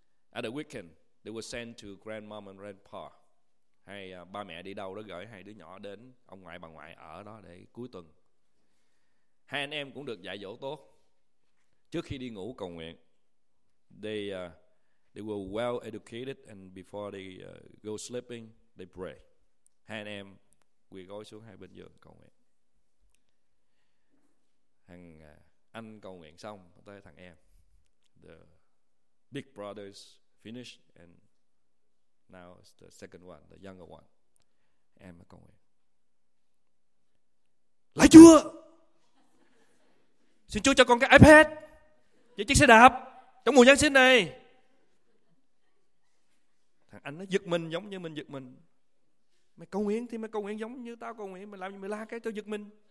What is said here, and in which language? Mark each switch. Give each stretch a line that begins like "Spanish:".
English: At the weekend, they were sent to grandma and grandpa.
Vietnamese: Hay ba mẹ đi đâu đó gửi hai đứa nhỏ đến ông ngoại bà ngoại ở đó để cuối tuần. Hai anh em cũng được dạy dỗ tốt. Trước khi đi ngủ cầu nguyện.
English: They were well educated and before they go sleeping, they pray.
Vietnamese: Hai anh em quỳ gối xuống hai bên giường cầu nguyện. Thằng anh cầu nguyện xong tới thằng em.
English: The big brothers finished and now it's the second one, the younger one.
Vietnamese: Em mới cầu nguyện. Lạy Chúa, xin Chúa cho con cái iPad, cái chiếc xe đạp trong mùa Giáng sinh này. Thằng anh nó giật mình giống như mình giật mình. Mày cầu nguyện thì mày cầu nguyện giống như tao cầu nguyện. Mày làm gì mày la cái tao giật mình.